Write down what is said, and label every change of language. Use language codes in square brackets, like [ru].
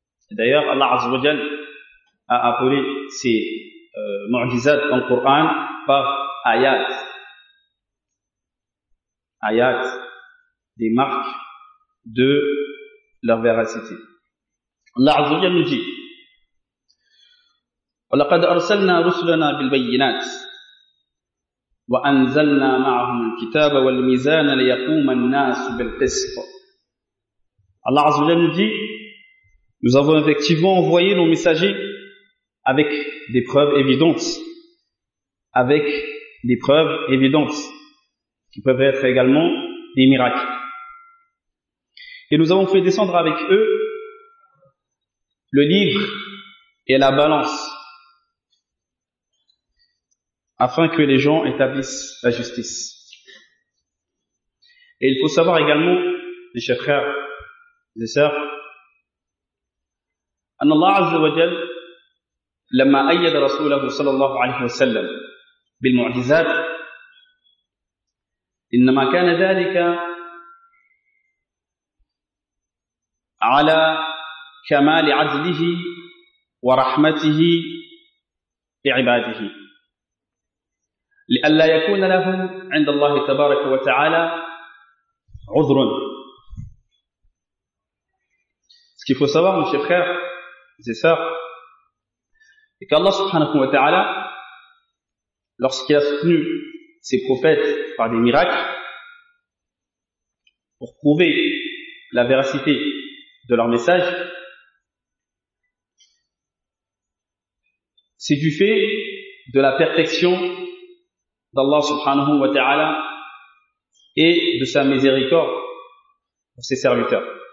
[fr] D'ailleurs, Allah Azza wa Jal a appelé ses mu'jizat dans le Coran par ayat. Ayat, des marques de leur véracité. Allah Azza wa Jal nous dit: [ar] وَلَقَدْ أَرْسَلْنَا رُسُلَنَا بِالْبَيِّنَاتِ وَأَنْزَلْنَا مَعْهُمُ الْكِتَابَ وَالْمِيزَانَ لِيَقُومَ النَّاسُ بِالْقِسْطِ. [fr] Allah Azza wa Jal nous dit: nous avons effectivement envoyé nos messagers avec des preuves évidentes, avec des preuves évidentes, qui peuvent être également des miracles. Et nous avons fait descendre avec eux le livre et la balance, afin que les gens établissent la justice. Et il faut savoir également, mes chers frères et sœurs, [ar] أن الله عز وجل لما أيد رسوله صلى الله عليه وسلم بالمعجزات إنما كان ذلك على كمال عدله ورحمته لعباده لألا يكون لهم عند الله تبارك وتعالى عذر. [fr] Ce qu'il faut savoir, mes chers frères et sœurs, c'est qu'Allah subhanahu wa ta'ala, lorsqu'il a soutenu ses prophètes par des miracles, pour prouver la véracité de leur message, c'est du fait de la perfection d'Allah subhanahu wa ta'ala et de sa miséricorde pour ses serviteurs.